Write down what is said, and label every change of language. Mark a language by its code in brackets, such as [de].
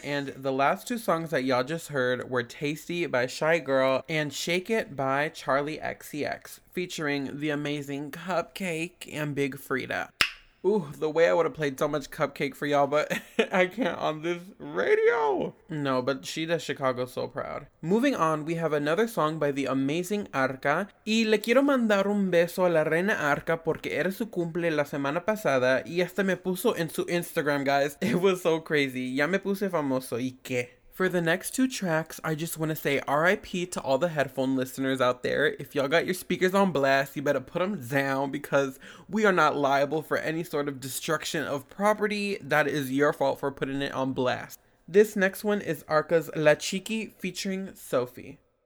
[en] And the last two songs that y'all just heard were Tasty by Shy Girl and Shake It by Charlie XCX, featuring the amazing Cupcake and Big Frida. Ooh, the way I would have played so much Cupcake for y'all, but I can't on this radio. No, but she does Chicago so proud. Moving on, we have another song by the amazing Arca. [es] Y le quiero mandar un beso a la reina Arca porque era su cumple la semana pasada y hasta me puso en su Instagram, guys. [en] It was so crazy. [es] Ya me puse famoso, ¿y qué? [en] For the next two tracks, I just want to say RIP to all the headphone listeners out there. If y'all got your speakers on blast, you better put them down because we are not liable for any sort of destruction of property. That is your fault for putting it on blast. This next one is Arca's La Chiqui featuring Sophie.